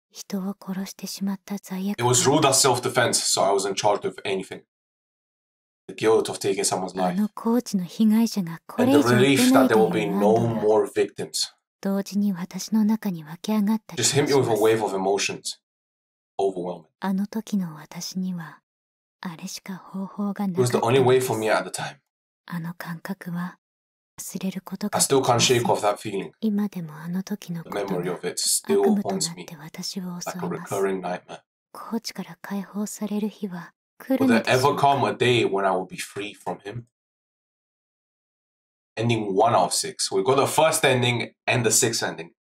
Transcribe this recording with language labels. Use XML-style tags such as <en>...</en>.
<en>It was ruled as self-defense, so I wasn't charged with anything. The guilt of taking someone's life. And the relief that there will be no more victims. Just hit me with a wave of emotions. Overwhelming.</en> <ja>あの時の私にはあれしか方法がなかった。</ja> <en>It was the only way for me at the time.</en> <ja>あの感覚は忘れることができません。</ja> <en>I still can't shake off that feeling.</en> <ja>今でもあの時のことが</ja> <en>The memory of it still haunts me.</en> <ja>悪夢となって私を襲います。</ja> <en>Like a recurring nightmare.</en> <ja>コーチから解放される日は来るのでしょうか。</ja> <en>Will there ever come a day when I will be free from him? Ending one out of six. We got the first ending and the sixth ending.</en>